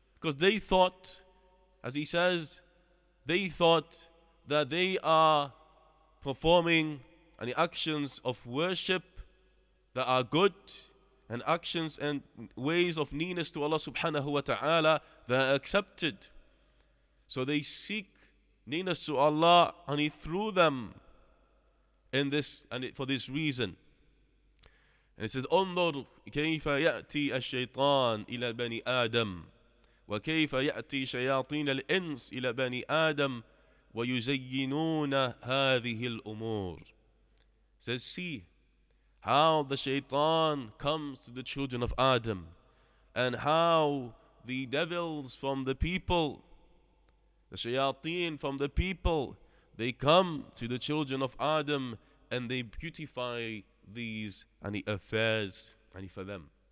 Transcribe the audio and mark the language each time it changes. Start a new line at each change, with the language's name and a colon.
English: Because they thought, as he says, they thought that they are performing any actions of worship that are good, and actions and ways of nearness to Allah subhanahu wa ta'ala that are accepted. So they seek nearness to Allah and he threw them in this and it, for this reason.
Arabic: And it says, انظر كيف يأتي الشيطان إلى بني آدم وكيف يأتي شياطين الإنس إلى بني آدم ويزينون هذه الأمور.
English: It says, see how the shaitan comes to the children of Adam and how the devils from the people, the shayateen from the people, they come to the children of Adam and they beautify these any affairs any for them.